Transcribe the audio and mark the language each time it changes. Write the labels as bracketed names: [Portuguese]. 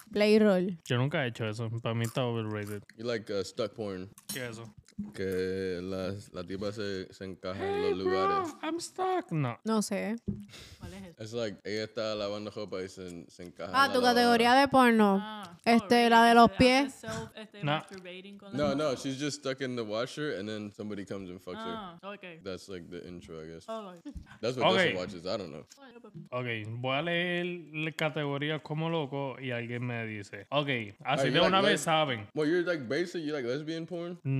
[English] play role. [Spanish] Yo nunca he hecho eso. Para mí está overrated. [English] You like stuck porn. [Spanish] ¿Qué es eso? Que la tipa se encaja hey, en los bro, lugares. [English] I'm stuck. No. [Spanish] No sé. ¿Cuál es eso? Es like, ella está lavando ropa y se encaja. Ah, en tu categoría de porno. Ah, la de los pies. [English] No, she's just stuck in the washer and then somebody comes and fucks her. Okay. That's like the intro, I guess. Oh, okay. That's what Justin watches. I don't know. [Spanish] Okay, voy a leer la categoría como loco y alguien me dice. Okay, así de una vez saben. [English] Well, you're like basic, you like lesbian porn?